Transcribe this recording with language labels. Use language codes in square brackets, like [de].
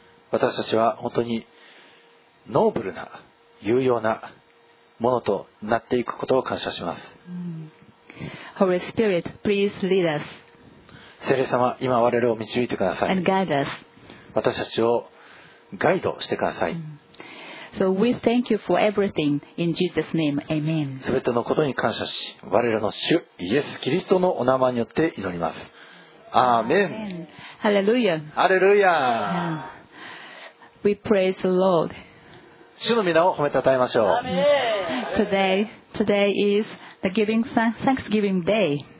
[ja] 私たちは本当にノーブルな有用なものとなっていくことを感謝します。 [en] Holy Spirit, please lead us. [ja] 聖霊様、今我々を導いてください。 [en] And guide us. [ja] 私たちをガイドしてください。 [en] So we thank you for everything in Jesus' name. Amen. [ja] 全てのことに感謝し、我らの主イエス・キリストのお名前によって祈ります。アーメン。ハレルヤ。ハレルヤ。 [en] We praise the Lord. [ja] 主の皆を褒めたたえましょう。アー [en] メン。Today is the giving Thanksgiving day.